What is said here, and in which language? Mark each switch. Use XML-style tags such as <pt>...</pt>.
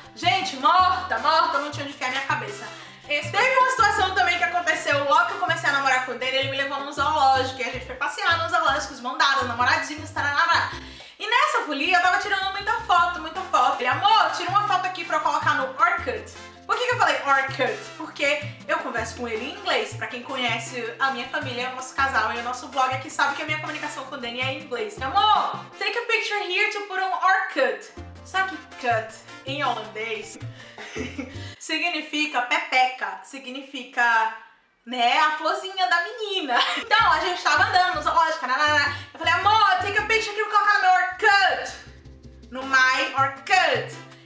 <pt>Gente, morta, não tinha onde ficar a minha cabeça. Teve uma situação também que aconteceu logo que eu comecei a namorar com o dele, ele me levou num zoológico e a gente foi passear nos zoológicos, mandados, namoradinhos, taranará. E nessa folia eu tava tirando muita foto. Ele, amor, tira uma foto aqui pra eu colocar no Orkut. Por que eu falei Orkut? Porque eu converso com ele em inglês. Pra quem conhece a minha família, o nosso casal e o nosso blog aqui, sabe que a minha comunicação com o Danny é em inglês.</pt> <en>Amor, take a picture here to put on Orkut.</en> <pt>Sabe que cut em holandês significa pepeca, significa, né, a florzinha da menina. Então, a gente tava andando no zoológico, eu falei, amor,</pt> <en>take a picture</en> <pt>aqui, vou colocar no Orkut. No My Orkut.</pt>